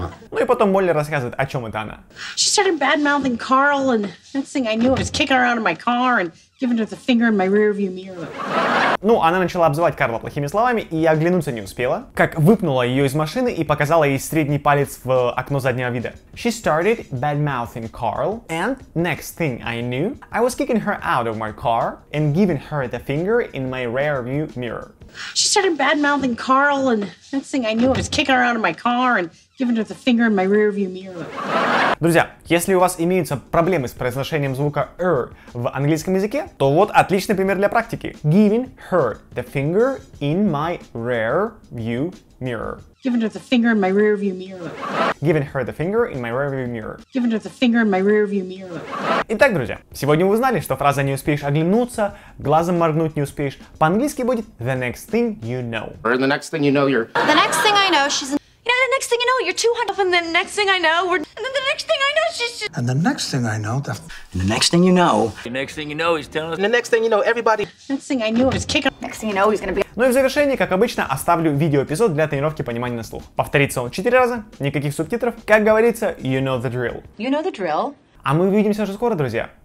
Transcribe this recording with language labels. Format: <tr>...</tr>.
<ru>Ну и потом Молли рассказывает, о чем это она.</ru> <en>She started bad-mouthing Carl, and next thing I knew, I was kicking around in my car and giving her the finger in my rearview mirror.</en> <ru>Ну, она начала обзывать Карла плохими словами, и оглянуться не успела, как выпнула ее из машины и показала ей средний палец в окно заднего вида.</ru> <en>She started bad-mouthing Carl, and next thing I knew, I was kicking her out of my car and giving her the finger in my rearview mirror. She started bad-mouthing Carl, and next thing I knew, I was kicking her out of my car and giving her the finger in my rearview mirror.</en> <ru>Друзья, если у вас имеются проблемы с произношением звука «r» в английском языке, то вот отличный пример для практики.</ru> <en>Giving her the finger in my rear view mirror. Giving her the finger in my rear view mirror. Giving her the finger in my rear view mirror. Giving her the finger in my rear view mirror.</en> <ru>Итак, друзья, сегодня вы узнали, что фраза «не успеешь оглянуться», «глазом моргнуть не успеешь» по-английски будет</ru> <en>«the next thing you know». Or the next thing you know, you're... The next thing I know, she's... You know, the next thing you know, you're 200, and then the next thing I know, we're... And then the next thing I know, she's just... And the next thing I know, the... And the next thing you know... The next thing you know, he's telling us... And the next thing you know, everybody... Next thing I knew, I was kicking... Next thing you know, he's gonna be...</en> <ru>Ну и в завершение, как обычно, оставлю видеоэпизод для тренировки понимания на слух. Повторится он 4 раза, никаких субтитров. Как говорится,</ru> <en>you know the drill. You know the drill.</en> <ru>А мы увидимся уже скоро, друзья.</ru>